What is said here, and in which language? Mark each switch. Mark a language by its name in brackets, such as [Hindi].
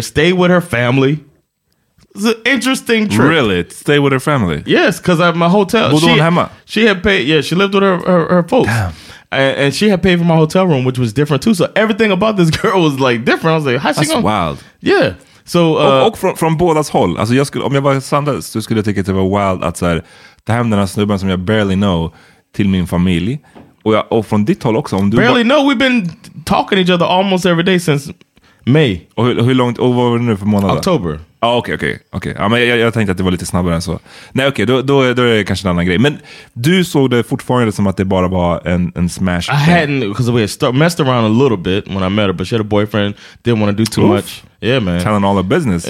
[English] Stayed with her family. It's an interesting trip. Really? Stay with her family? Yes, because I have my hotel. She had paid. Yeah, she lived with her folks. Damn. And she had paid for my hotel room, which was different too. So everything about this girl was like different. I was like, how's she going? That's wild. Yeah. So [Swedish] och från bådas håll. Alltså jag skulle, om jag var Sandra, så skulle jag tycka att det var wild att så här, ta hem den här snubben som jag [English] barely know [Swedish] till min familj. Och från ditt håll också. Om du [English] barely know, we've been talking each other almost every day since May. [Swedish] Och hur långt, och vad var det nu för månader? [English] October. [Swedish] Okej. Ja, men jag tänkte att det var lite snabbare än så. Nej, då är det kanske en annan grej. Men du såg det fortfarande som att det bara var en smash. [English] I hadn't, because we had messed around a little bit when I met her, but she had a boyfriend, didn't want to do too much. Yeah, man. Telling all her business.